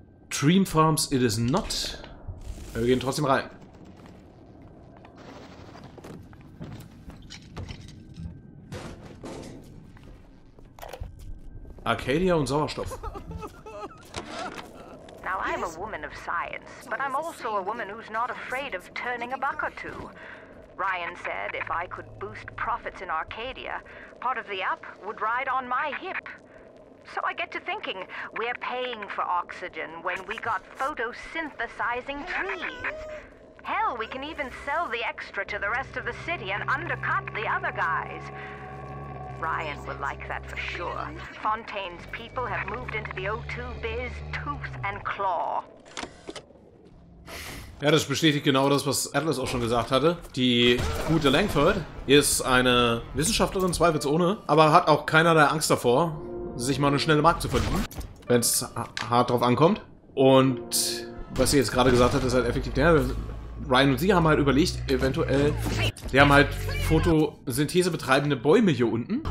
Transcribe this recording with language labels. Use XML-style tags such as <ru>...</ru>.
<en>Dream Farms it is not.</en> <de>Wir gehen trotzdem rein. Arcadia und Sauerstoff.</de> <en>Now I'm a woman of science, but I'm also a woman who's not afraid of turning a buck or two. Ryan said if I could boost profits in Arcadia, part of the up would ride on my hip. So I get to thinking, we're paying for oxygen when we got photosynthesizing trees. Hell, we can even sell the extra to the rest of the city and undercut the other guys. Ryan would like that for sure. Fontaine's people have moved into the O2 biz tooth and claw.</en> <de>Ja, das bestätigt genau das, was Atlas auch schon gesagt hatte. Die gute Langford ist eine Wissenschaftlerin, zweifelsohne, aber hat auch keinerlei Angst davor, sich mal eine schnelle Mark zu verdienen, wenn es hart drauf ankommt. Und was sie jetzt gerade gesagt hat, ist halt effektiv der. Ryan und sie haben halt überlegt, eventuell, die haben halt Photosynthese betreibende Bäume hier unten.</de>